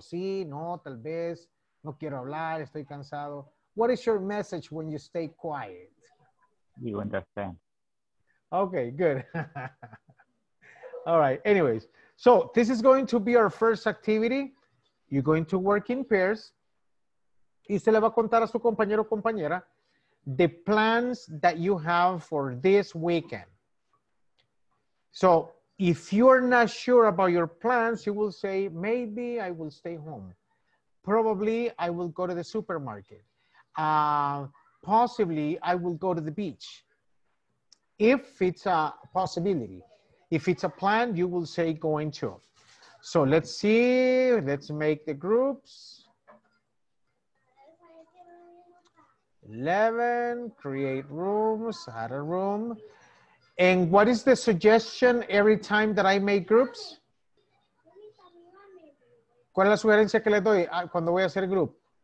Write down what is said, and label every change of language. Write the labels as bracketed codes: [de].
[es] Sí, no, tal vez, no quiero hablar, estoy cansado. [en] What is your message when you stay quiet? You understand. Okay, good. All right, anyways. So, this is going to be our first activity. You're going to work in pairs. [es] Y se le va a contar a su compañero o compañera [en] the plans that you have for this weekend. So, if you're not sure about your plans, you will say, maybe I will stay home. Probably, I will go to the supermarket. Possibly, I will go to the beach. If it's a possibility. If it's a plan, you will say going to. So, let's see. Let's make the groups. 11, create rooms, add a room. And what is the suggestion every time that I make groups? [es] ¿Cuál es la sugerencia que le doy cuando voy a hacer group?